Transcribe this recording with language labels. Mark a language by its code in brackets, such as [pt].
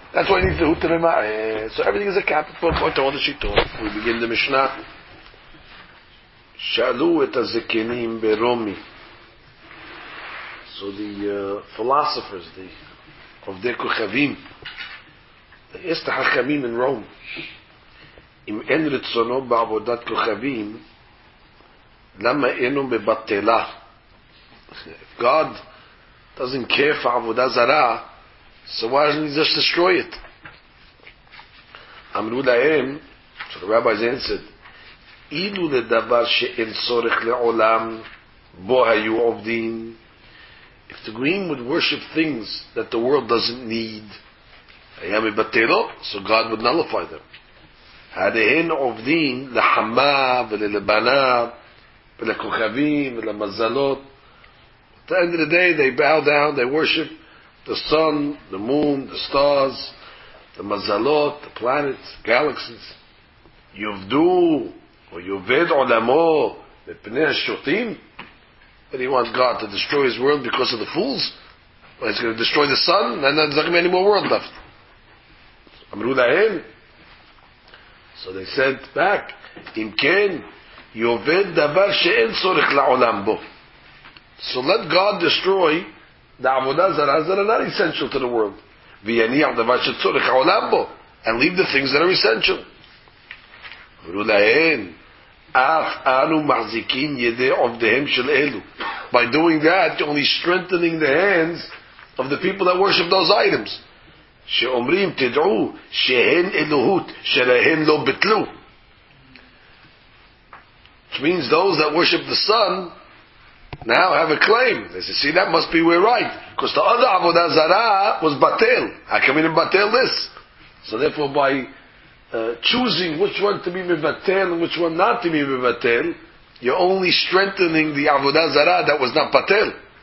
[en] That's why you needed the who to remember. So everything is accounted for according to all the shittur. [he] We begin the Mishnah. Shalu et azekinim beromi. [en] So the philosophers, the of the kuchavim, they asked the hachamim in Rome. [he] אם אין רצונו בעבודת כוכבים, למה אינו מבטלה? [en] If God doesn't care for עבודה זרה, so why doesn't he just destroy it? [he] אמרו להם, [en] so the rabbis answered, [he] אילו לדבר שאין צורך לעולם, בו היו עובדים. [en] If the green would worship things that the world doesn't need, [he] היה מבטלו, [en] so God would nullify them. [he] הדהן עובדים לחמה וללבנה ולכוכבים ולמזלות. [en] At the end of the day, they bow down, they worship the sun, the moon, the stars, the מזלות, the planets, galaxies. [he] יובדו או יובד עולמו בפני השוטים. [en] But he wants God to destroy his world because of the fools. Well, he's going to destroy the sun, and then there's not going to be any more world left. [he] אמרו להם, [en] so they sent back, [he] Im ken, yoved davar she'en tzorich la'olam bo. [en] So let God destroy the avodah zarah that are not essential to the world. [he] V'yani'ach davar she'tzorich la'olam bo. [en] And leave the things that are essential. [he] Amru lahen, af anu mahzikin yedei ovdehem shel elu. [en] By doing that, you're only strengthening the hands of the people that worship those items. [he] שאומרים תדעו שהן אלוהות שלהן לא ביטלו. [en] Which means those that worship the sun now have a claim. They say, see, that must be we're right. Because the other Avodah Zarah was batel. How come we didn't batel this? So therefore by choosing which one to be mebatel and which one not to be mebatel, you're only strengthening the Avodah Zarah that was not batel.